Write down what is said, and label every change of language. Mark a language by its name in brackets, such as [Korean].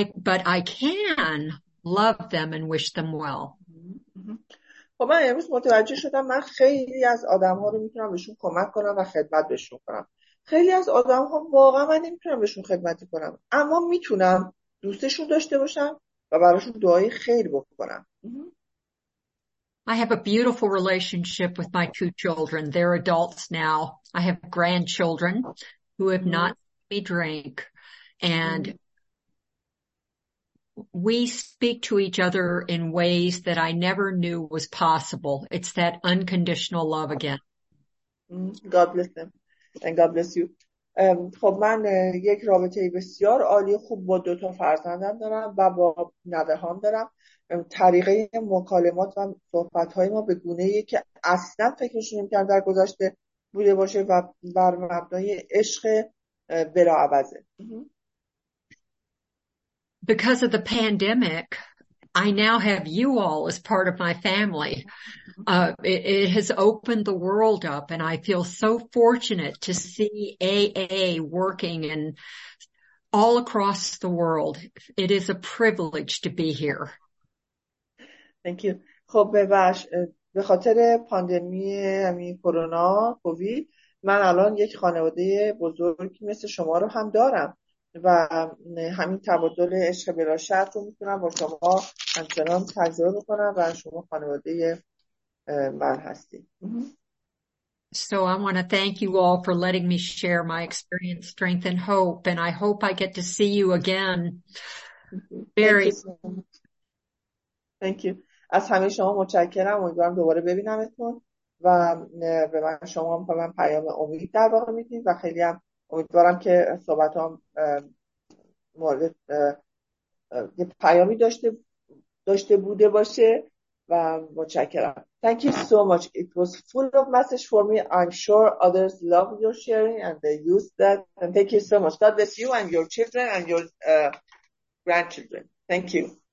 [English] But I can love them and wish them well. [Persian] خب من امروز متوجه شدم من خیلی از آدم ها رو میتونم بهشون کمک کنم و خدمت بهشون کنم. خیلی از آدم ها واقعا من نمیتونم بهشون خدمتی کنم، اما میتونم دوستشون داشته باشم و براشون دعای خیر بکنم. [English] I have a beautiful relationship with my two children. They're adults now. I have grandchildren who have not seen me drink. And we speak to each other in ways that I never knew was possible. It's that unconditional love again. God bless them. And God bless you. [Persian] خب من یک رابطه بسیار عالی خوب با دو تا فرزندم دارم و با نوه هام دارم. طریقه مکالمات و صحبت های ما به گونه ای که اصلا فکرش نمی کنم در گذشته بوده باشه و بر مبنای عشق بلا عوضه. [English] Because of the pandemic, I now have you all as part of my family. It has opened the world up, and I feel so fortunate to see AA working in all across the world. It is a privilege to be here. Thank you. [Persian] خب ببخش به خاطر پاندمی کرونا کووید من الان یک خانواده بزرگی مثل شما رو هم دارم و همین تبادل عشق بلا شرط رو میتونم با شما همچنان تجربه بکنم و شما خانواده من هستید. [English] So I want to thank you all for letting me share my experience, strength and hope, and I hope I get to see you again. Very thank you. [Persian] از همه شما متشکرم، امیدوارم دوباره ببینمتون و به من شما هم کنم پیام امید در واقع میدید و خیلی هم امیدوارم که صحبت هم مورد یه پیامی داشته بوده باشه و متشکرم. [English] Thank you so much. It was full of message for me. I'm sure others love your sharing and they use that. And thank you so much. God bless you and your children and your grandchildren. Thank you.